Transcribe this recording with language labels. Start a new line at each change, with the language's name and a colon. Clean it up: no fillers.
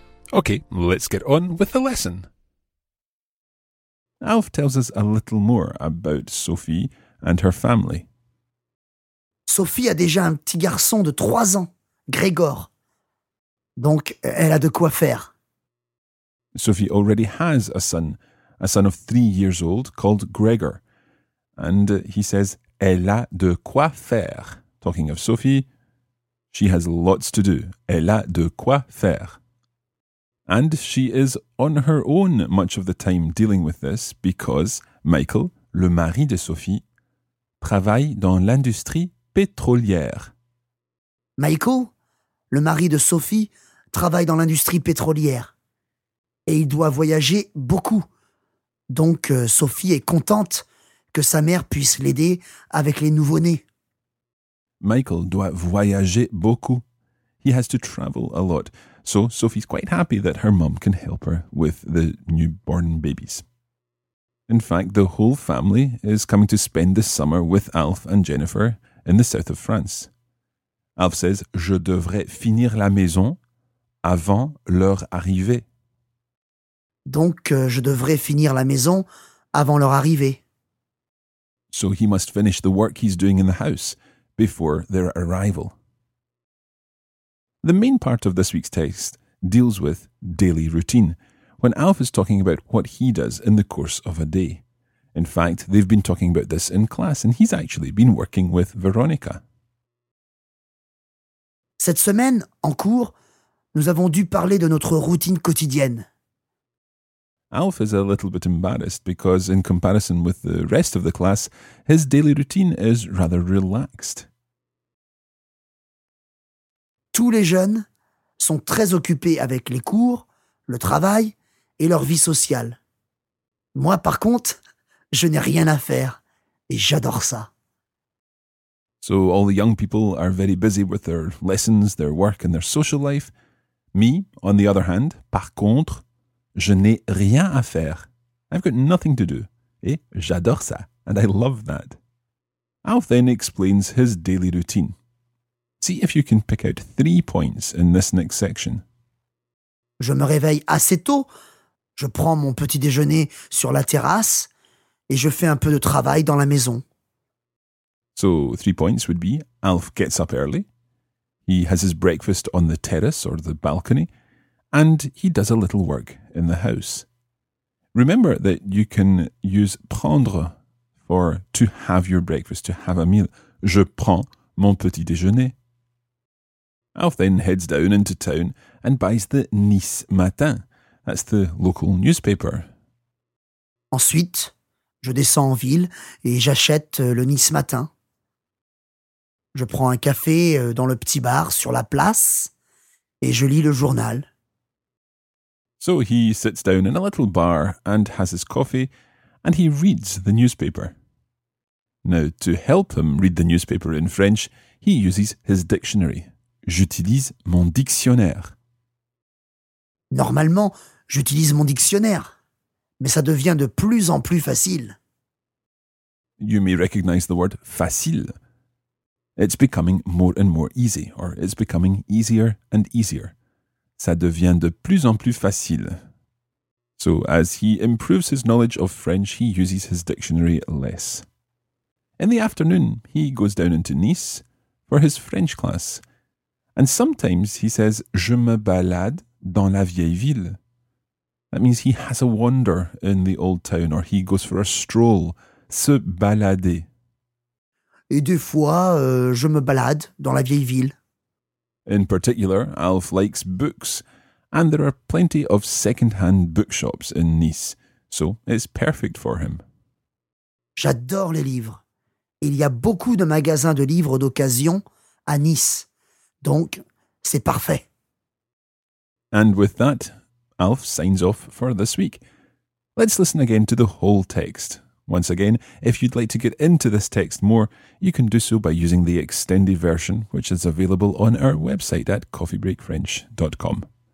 English: Okay, let's get on with the lesson. Alf tells us a little more about Sophie and her family.
French: Sophie a déjà un petit garçon de 3 ans, Grégor. Donc, elle a de quoi faire.
English: Sophie already has a son of 3 years old called Grégor. And he says,
French: elle a de quoi faire.
English: Talking of Sophie, she has lots to do.
French: Elle a de quoi faire.
English: And she is on her own much of the time dealing with this because Michael,
French: le mari de Sophie, travaille dans l'industrie pétrolière. Michael, le mari de Sophie, travaille dans l'industrie pétrolière. Et il doit voyager beaucoup. Donc Sophie est contente que sa mère puisse l'aider avec les nouveau-nés. Michael doit voyager beaucoup.
English: He has to travel a lot. So Sophie's quite happy that her mum can help her with the newborn babies. In fact, the whole family is coming to spend the summer with Alf and Jennifer in the south of France. Alf says,
French: je devrais finir la maison avant leur arrivée. Donc, je devrais finir la maison avant leur arrivée.
English: So he must finish the work he's doing in the house before their arrival. The main part of this week's text deals with daily routine, when Alf is talking about what he does in the course of a day. In fact, they've been talking about this in class, and he's actually been working with Veronica.
French: Cette semaine, en cours, nous avons dû parler de notre routine quotidienne.
English: Alf is a little bit embarrassed because, in comparison with the rest of the class, his daily routine is rather relaxed.
French: Tous les jeunes sont très occupés avec les cours, le travail et leur vie sociale. Moi, par contre, je n'ai rien à faire et j'adore ça.
English: So all the young people are very busy with their lessons, their work and their social life. Me, on the other hand,
French: par contre, je n'ai rien à faire.
English: I've got nothing to do
French: et j'adore ça
English: and I love that. Alf then explains his daily routine. See if you can pick out 3 points in this next section.
French: Je me réveille assez tôt. Je prends mon petit déjeuner sur la terrasse et je fais un peu de travail dans la maison.
English: So, 3 points would be Alf gets up early. He has his breakfast on the terrace or the balcony. And he does a little work in the house. Remember that you can use prendre for to have your breakfast, to have a meal.
French: Je prends mon petit déjeuner.
English: Alf then heads down into town and buys the Nice Matin. That's the local newspaper.
French: Ensuite, je descends en ville et j'achète le Nice Matin. Je prends un café dans le petit bar sur la place et je lis le journal.
English: So he sits down in a little bar and has his coffee and he reads the newspaper. Now, to help him read the newspaper in French, he uses his dictionary.
French: J'utilise mon dictionnaire. Normalement, j'utilise mon dictionnaire, mais ça devient de plus en plus facile.
English: You may recognize the word facile. It's becoming more and more easy, or it's becoming easier and easier.
French: Ça devient de plus en plus facile.
English: So, as he improves his knowledge of French, he uses his dictionary less. In the afternoon, he goes down into Nice for his French class. And sometimes he says,
French: je me balade dans la vieille ville.
English: That means he has a wander in the old town, or he goes for a stroll, se balader.
French: Et des fois, je me balade dans la vieille ville.
English: In particular, Alf likes books, and there are plenty of second-hand bookshops in Nice, so it's perfect for him.
French: J'adore les livres. Il y a beaucoup de magasins de livres d'occasion à Nice, donc c'est parfait.
English: And with that, Alf signs off for this week. Let's listen again to the whole text. Once again, if you'd like to get into this text more, you can do so by using the extended version, which is available on our website at coffeebreakfrench.com.